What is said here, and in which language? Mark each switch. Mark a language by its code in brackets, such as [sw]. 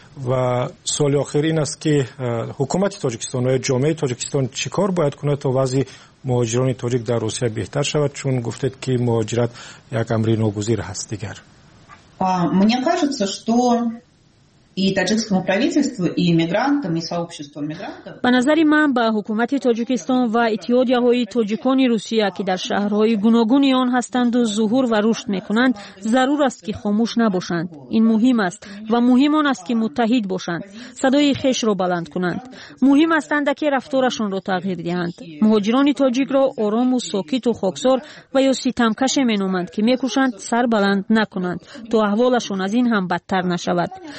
[fa] و سوال آخر این است که حکومت تاجیکستان و جامعه تاجیکستان چی کار باید کند تا وضع مهاجران تاجیک در روسیه بهتر شود، چون گفتید که مهاجرت یک امر ناگزیر هست دیگر. [uk] Мені кажеться, що і таджикському правительству, і мігрантам, і сообществу мігрантів. [tg] Ба назари ман ба ҳукумат Тоҷикистон ва итиҳодияҳои тоҷикони Русия, ки дар шаҳрҳои гуногуни он ҳастанду зуҳур ва рушд мекунанд, зарур аст ки хомӯш набошанд. Ин муҳим аст ва муҳим он аст ки муттаҳид бошанд, садои хешро баланд кунанд. Муҳим аст андаке рафторашонро тағйир диҳанд. Муҳоҷирони тоҷикро орому сокиту хоксор ва ё ситамкаше меноманд, ки мекушанд сар баланд накунанд, то аҳволашон аз ин ҳам бадтар нашавад.